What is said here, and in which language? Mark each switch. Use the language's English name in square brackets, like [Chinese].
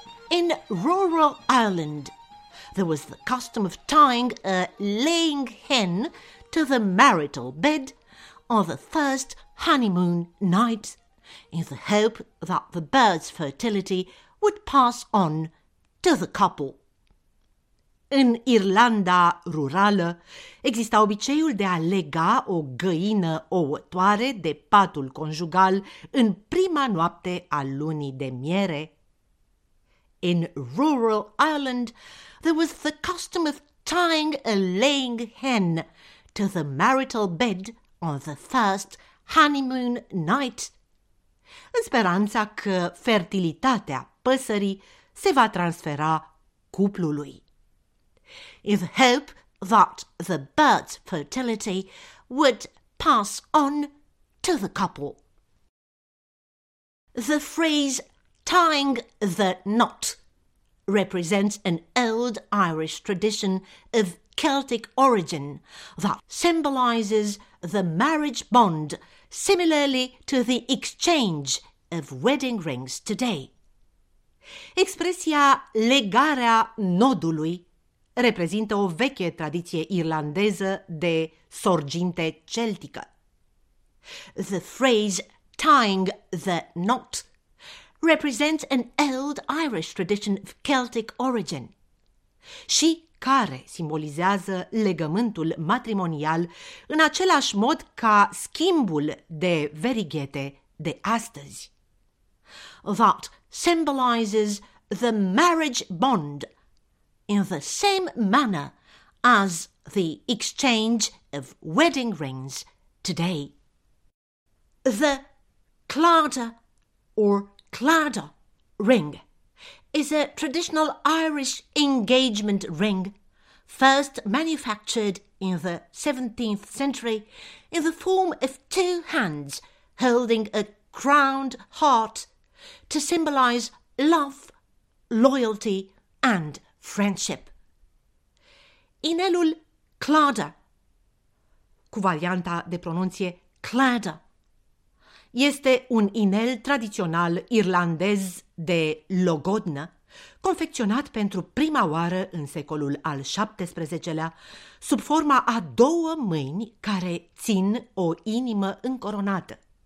[English] In rural Ireland, there was the custom of tying a laying hen to the marital bed on the first honeymoon night in the hope that the bird's fertility would pass on to the couple. [Romanian] În Irlanda rurală exista obiceiul de a lega o găină ouătoare de patul conjugal în prima noapte a lunii de miere. [English] In rural Ireland, there was the custom of tying a laying hen to the marital bed on the first honeymoon night, [Romanian] în speranța că fertilitatea păsării se va transfera cuplului. [English] In the hope that the bird's fertility would pass on to the couple. The phrase tying the knot represents an old Irish tradition of Celtic origin that symbolizes the marriage bond, similarly to the exchange of wedding rings today. [Romanian] Expresia legarea nodului reprezintă o veche tradiție irlandeză de sorginte celtică. [English] The phrase tying the knot represents an old Irish tradition of Celtic origin. [Romanian] Și care simbolizează legământul matrimonial în același mod ca schimbul de verighete de astăzi. [English] That symbolizes the marriage bond in the same manner as the exchange of wedding rings today. The clada or clada ring is a traditional Irish engagement ring first manufactured in the 17th century in the form of two hands holding a crowned heart to symbolize love, loyalty and friendship. [Romanian] Inelul clada, cu varianta de pronunție clada, este un inel tradițional irlandez de logodnă, confecționat pentru prima oară în secolul al XVII-lea, sub forma a două mâini care țin o inimă încoronată.